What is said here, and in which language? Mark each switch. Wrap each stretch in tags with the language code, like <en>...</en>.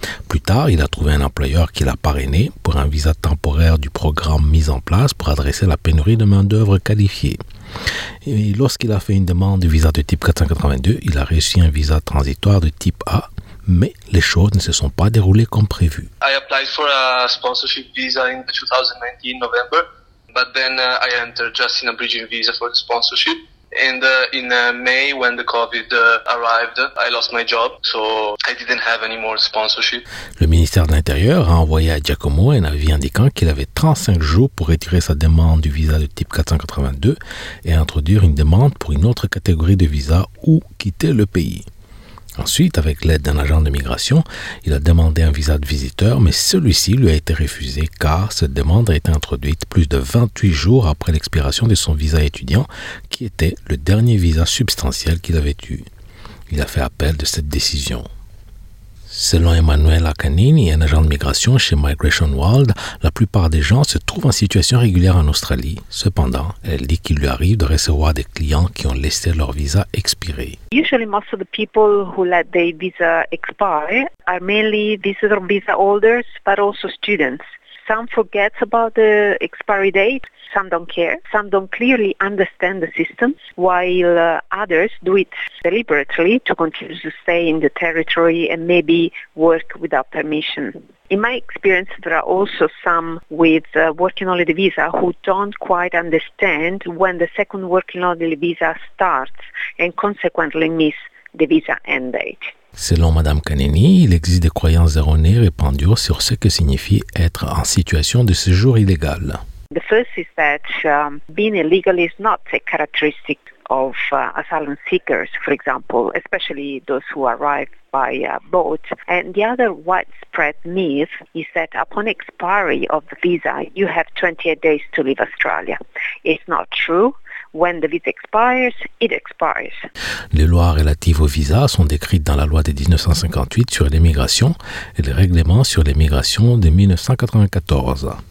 <fr>Plus tard, il a trouvé un employeur qui l'a parrainé pour un visa temporaire du programme mis en place pour adresser la pénurie de main-d'œuvre qualifiée. Et lorsqu'il a fait une demande de visa de type 482, il a reçu un visa transitoire de type A, mais les choses ne se sont pas déroulées comme prévu.</fr> <en>I applied for a sponsorship visa in 2019 November, but then I entered just in a bridging visa for the sponsorship. And in May, when the COVID arrived, I lost my job, so I didn't have any more sponsorship.</en> <fr>Le ministère de l'Intérieur a envoyé à Giacomo un avis indiquant qu'il avait 35 jours pour retirer sa demande du visa de type 482 et introduire une demande pour une autre catégorie de visa ou quitter le pays. Ensuite, avec l'aide d'un agent de migration, il a demandé un visa de visiteur, mais celui-ci lui a été refusé car cette demande a été introduite plus de 28 jours après l'expiration de son visa étudiant, qui était le dernier visa substantiel qu'il avait eu. Il a fait appel de cette décision. Selon Emmanuel Akanini, un agent de migration chez Migration World, la plupart des gens se trouvent en situation régulière en Australie. Cependant, elle dit qu'il lui arrive de recevoir des clients qui ont laissé leur visa expirer.</fr> <en>Usually most of the people who let their visa expire are mainly visitor visa holders, but also students. Some forget about the expiry date, some don't care, some don't clearly understand the system, while others do it deliberately to continue to stay in the territory and maybe work without permission. In my experience, there are also some with working holiday visa who don't quite understand when the second working holiday visa starts and consequently miss the visa end date.</en> <fr>Selon Mme Canini, il existe des croyances erronées répandues sur ce que signifie être en situation de séjour illégal.</fr> <en>The first is that being illegal is not a characteristic of asylum seekers, for example, especially those who arrive by boat. And the other widespread myth is that upon expiry of the visa, you have 28 days to leave Australia. It's not true. When the visa expires, it expires.</en> <fr>Les lois relatives aux visas sont décrites dans la loi de 1958 sur l'immigration et le règlement sur l'immigration de 1994.</fr>